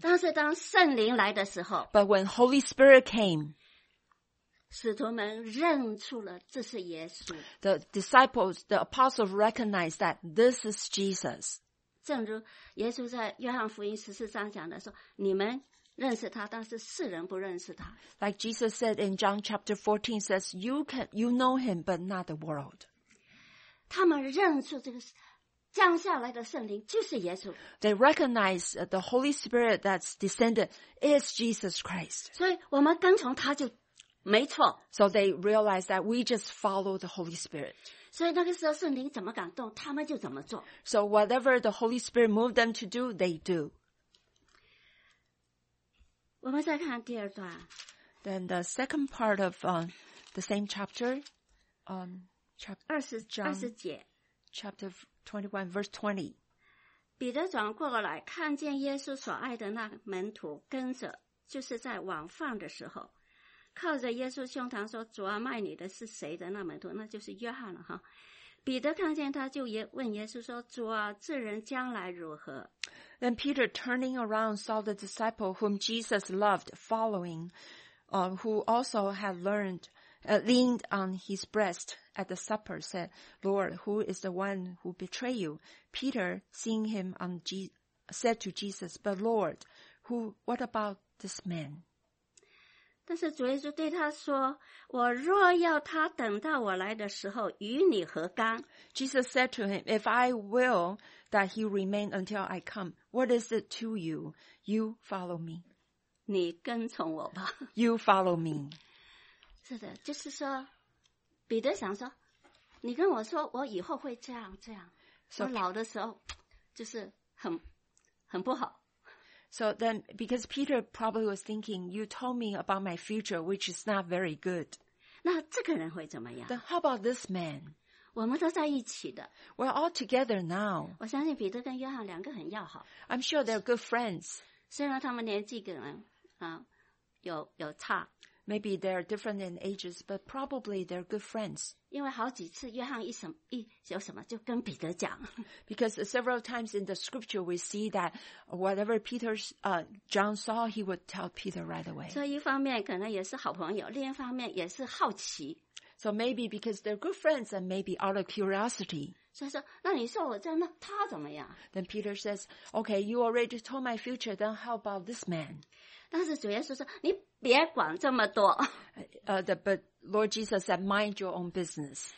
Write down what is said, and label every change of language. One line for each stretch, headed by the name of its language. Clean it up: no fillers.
Chinese: 但是当圣灵来的时候
English: But when Holy Spirit cameThe disciples, the apostles recognized that this is Jesus.
Chinese: 正如耶稣在约翰福音14章讲的说你们认识他但是世人不认识他。
English: Like Jesus said in John chapter 14, says, you know him, but not the world.
Chinese: 他们认出这个降下来的圣灵就是耶稣。
English: They recognize the Holy Spirit that's descended is Jesus Christ.
Chinese: 所以我们跟从他就没错。
English: So they realize that we just follow the Holy Spirit.
Chinese: 所以那个时候圣灵怎么感动，他们就怎么做。
English: So whatever the Holy Spirit moved them to do, they do.
Chinese: 我们再看第二段。
English: Then the second part of the same chapter, chapter
Chinese: 20节。
English: Chapter 21, verse 20.
Chinese: 彼得转过来看见耶稣所爱的那门徒跟着，就是在晚饭的时候，靠着耶稣胸膛说，主啊，卖你的是谁的那门徒，那就是约翰了哈。彼得看见他就问耶稣说，主啊，这人将来如何？
English: Then Peter turning around saw the disciple whom Jesus loved following, who also had learned,leaned on his breast at the supper, said, Lord, who is the one who betray you? Peter, seeing him, said to Jesus, but Lord, what about this man?
Chinese: 但是主耶稣对他说，我若要他等到我来的时候，与你何干？
English: Jesus said to him, if I will that he remain until I come, what is it to you? You follow me.
Chinese: 你跟从我吧。
English: You follow me.
Chinese: 是的，就是说，彼得想说，你跟我说，我以后会这样这样。 So, 我老的时候，就是很不好。
English: So then, because Peter probably was thinking, you told me about my future, which is not very good.
Chinese: 那这个人会怎么样
English: ？Then how about this man?
Chinese: 我们都在一起的。
English: We're all together now.
Chinese: 我相信彼得跟约翰两个很要好。
English: I'm sure they're good friends.
Chinese: 虽然他们年纪可能啊有差。
English: Maybe they're different in ages, but probably they're good friends.
Chinese: 因为好几次约翰有什么就跟彼得讲。
English: Because several times in the scripture, we see that whatever John saw, he would tell Peter right away.
Chinese: 所以一方面可能也是好朋友，另一方面也是好奇。
English: So maybe because they're good friends and maybe out of curiosity.
Chinese: 所以说，那你说我这样，那他怎么样？
English: Then Peter says, okay, you already told my future, then how about this man?
Chinese: 但是主耶稣说，你别管这么多。
English: But Lord Jesus said, mind your own business.